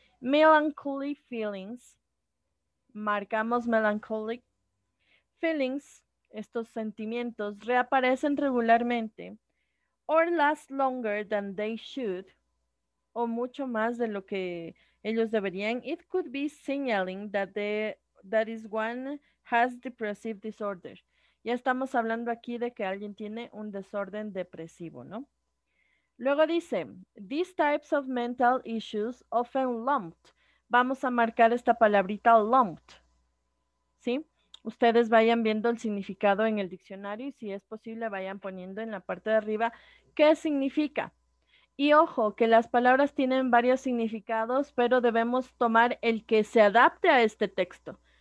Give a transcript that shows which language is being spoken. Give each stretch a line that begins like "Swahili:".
English: Melancholy feelings.
Spanish: Marcamos
English: melancholic feelings.
Spanish: Estos sentimientos reaparecen regularmente.
English: Or last longer than they should.
Spanish: O mucho más de lo que ellos deberían.
English: It could be signaling that is one has depressive disorder.
Spanish: Ya estamos hablando aquí de que alguien tiene un desorden depresivo, ¿no? Luego dice,
English: these types of mental issues often lumped.
Spanish: Vamos a marcar esta palabrita lumped, ¿sí? Ustedes vayan viendo el significado en el diccionario y si es posible vayan poniendo en la parte de arriba qué significa. Y ojo, que las palabras tienen varios significados, pero debemos tomar el que se adapte a este texto.